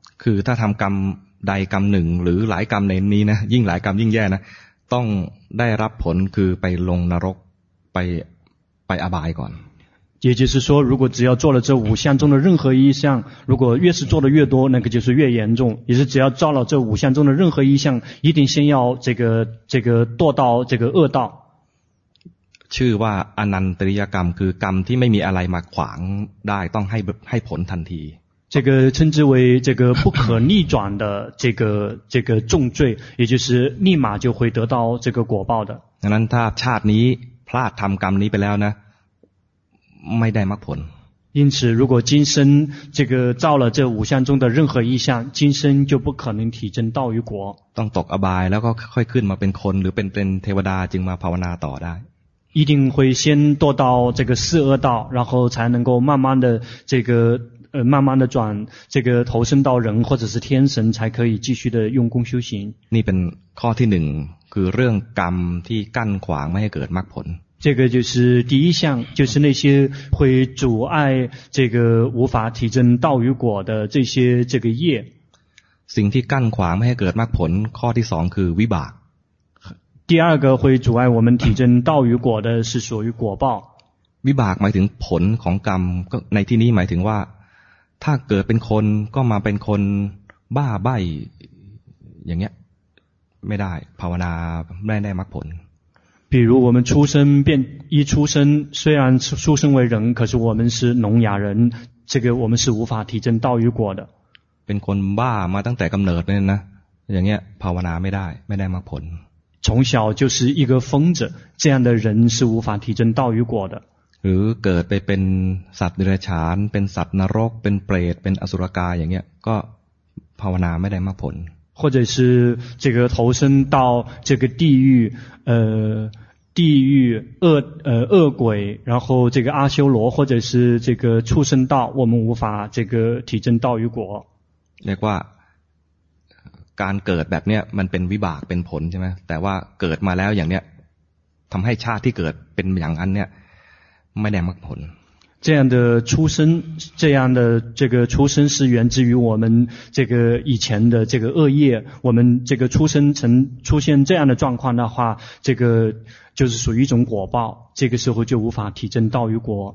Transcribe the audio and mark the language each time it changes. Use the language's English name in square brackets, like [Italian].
[Thai] คือถ้าทำกรรมใดกรรมหนึ่งหรือหลายกรรมในนี้นะยิ่งหลายกรรมยิ่งแย่นะต้องได้รับผลคือไปลงนรกไปอบายก่อน [Chinese] 也就是说如果只要做了这五项中的任何一项如果越是做的越多那个就是越严重也是只要做了这五项中的任何一项一定先要这个堕到这个恶道 [Thai] ชื่อว่าอนันตริยกรรมคือกรรมที่ไม่มีอะไรมาขวางได้ต้องให้ผลทันที [Chinese] 这个称之为这个不可逆转的这个重罪也就是立马就会得到这个果报的 [Thai] ดังนั้นถ้าชาตินี้พลาดทำกรรมนี้ไปแล้วนะไม่ได้มรรคผล [Chinese] 因此如果今生这个造了这五项中的任何一项今生就不可能提证道与果 [Thai] ต้องตกอบายแล้วก็ค่อยขึ้นมาเป็นคนหรือเป็นเทวดาจึงมาภาวนาต่อได้ [Chinese] 一定会先堕到这个四恶道然后才能够慢慢的这个慢慢的转这个投身到人或者是天神才可以继续的用功修行 [Thai] นี่เป็นข้อที่หนึ่งคือเรื่องกรรมที่กั้นขวางไม่ให้เกิดมรรคผล [Chinese] 这个就是第一项就是那些会阻碍这个无法提证道与果的这些这个业 [Thai] สิ่งที่กั้นขวางไม่ให้เกิดมรรคผลข้อที่สองคือวิบาก [Chinese] 第二个会阻碍我们提证道与果的是属于果报 [Thai] วิบากหมายถึงผลของกรรมก็ในที่นี้หมายถึงว่าถ้าเกิดเป็นคนก็มาเป็นคนบ้าใบ้อย่างเงี้ยไม่ได้ภาวนาไม่ได้มรรคผล [Chinese] 比如我们出生变一出生虽然出生为人可是我们是聋哑人这个我们是无法提证道与果的 [Thai] เป็นคนบ้ามาตั้งแต่กำเนิดเนี่ยนะอย่างเงี้ยภาวนาไม่ได้มรรคผล [Chinese] 从小就是一个疯子这样的人是无法提证道与果的 [Thai] หรือเกิดไปเป็นสัตว์เดรัจฉานเป็นสัตว์นรกเป็นเปรตเป็นอสุรกายอย่างเงี้ยก็ภาวนาไม่ได้มากผล [Chinese] 或者是这个投身到这个地狱地狱恶鬼然后这个阿修罗或者是这个畜生道我们无法这个提证道与果 [Thai] เรียกว่าการเกิดแบบเนี้ยมันเป็นวิบากเป็นผลใช่ไหมแต่ว่าเกิดมาแล้วอย่างเนี้ยทำให้ชาติที่เกิดเป็นอย่างนั้นเนี้ยไม่ได้มรรคผล [Chinese] 这样的出生这样的这个出生是源自于我们这个以前的这个恶业我们这个出生成出现这样的状况的话这个就是属于一种果报这个时候就无法提证道与果